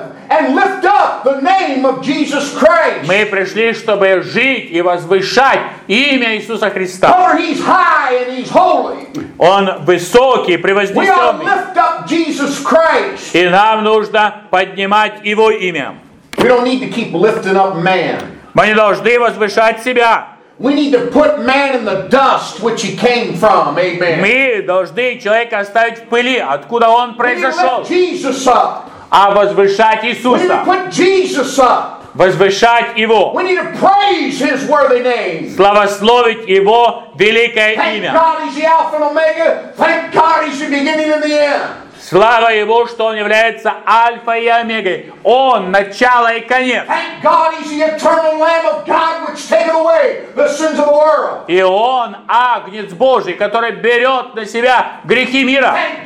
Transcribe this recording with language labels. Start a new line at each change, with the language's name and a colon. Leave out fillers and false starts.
English: And lift up the name of Jesus Christ.
Russian: Мы пришли, чтобы жить и возвышать имя Иисуса Христа.
English: For he's high and he's holy.
Russian: Он высокий, превознесенный.
English: We ought to lift up Jesus Christ.
Russian: И нам нужно поднимать его имя.
English: We don't need to keep lifting up man.
Russian: Мы не должны возвышать себя.
English: We need to put man in the dust which he came from. Amen.
Russian: Мы должны человека оставить в пыли, откуда он произошел.
English: We need to lift Jesus up.
Russian: А возвышать Иисуса.
English: We need to put Jesus up.
Russian: Возвышать Его.
English: We need to praise His worthy name.
Russian: Славословить Его великое имя.
English: Thank God He's the Alpha and Omega. Thank God He's the beginning and the end.
Russian: Слава Его, что Он является Альфа и Омегой. Он – начало и конец. И Он – Агнец Божий, который берет на Себя грехи мира.